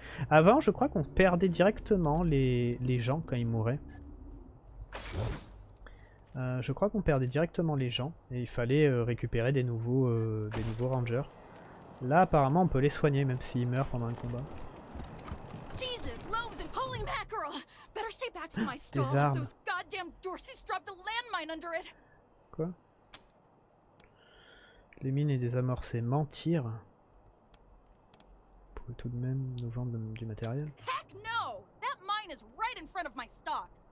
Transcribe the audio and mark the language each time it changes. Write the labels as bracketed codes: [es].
[fr] Avant, je crois qu'on perdait directement les gens quand ils mouraient. Je crois qu'on perdait directement les gens et il fallait récupérer des nouveaux rangers. Là apparemment on peut les soigner même s'ils meurent pendant un combat. [en] Jesus, loaves and holy mackerel. Better stay back from my stall. Those goddamn Dorseys dropped a landmine under it. [fr] Quoi? Les mines et désamorcer, mentir. On pourrait tout de même nous vendre du matériel. [en] Heck no! That mine is right in front of my stock.